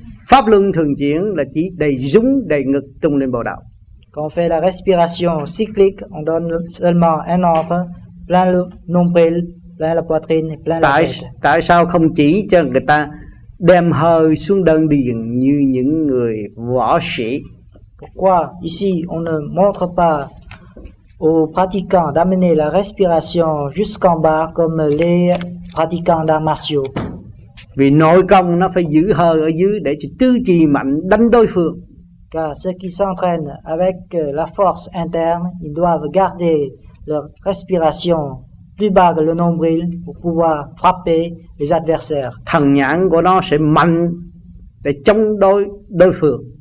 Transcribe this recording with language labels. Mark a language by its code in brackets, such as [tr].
[vi] Pháp luân thường chuyển là chỉ đầy rúng, đầy ngực tung lên bồ đạo. [fr] Quand on fait la respiration cyclique, on donne seulement un ordre, plein le nombril, plein la poitrine, plein la tête. [vi] Tại sao không chỉ cho người ta đem hơi xuống đơn điền như những người võ sĩ? [fr] Pourquoi ici on ne montre pas aux pratiquants d'amener la respiration jusqu'en bas comme les pratiquants d'arts martiaux? [vi] Vì nội công nó phải giữ hơi ở dưới để cho tứ chi mạnh đánh đối phương. [fr] Car ceux qui s'entraînent avec la force interne, ils doivent garder leur respiration plus bas que le nombril pour pouvoir frapper les adversaires. [vi] Thần nhãn của nó sẽ mạnh để chống đối phương.